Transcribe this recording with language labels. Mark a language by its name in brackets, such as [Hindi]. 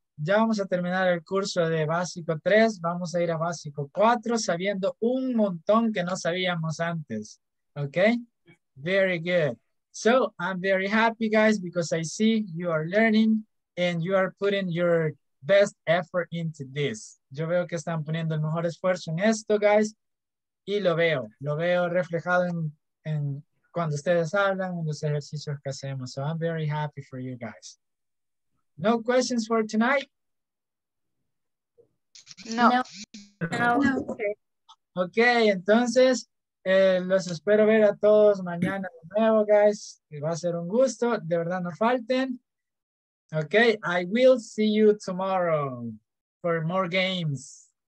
[Spanish] Ya vamos a terminar el curso de básico 3. Vamos a ir a básico 4 sabiendo un montón que no sabíamos antes. [English] Okay? Very good. So I'm very happy, guys, because I see you are learning and you are putting your best effort into this. [Spanish] Yo veo que están poniendo el mejor esfuerzo en esto, guys, y lo veo reflejado en cuando ustedes hablan, en los ejercicios que hacemos. [English] So I'm very happy for you guys. No questions for tonight? No. [Spanish] Okay, entonces. Los espero ver a todos mañana de nuevo, guys. Va a ser un gusto. De verdad, no falten. [English] Okay, I will see you tomorrow for more games.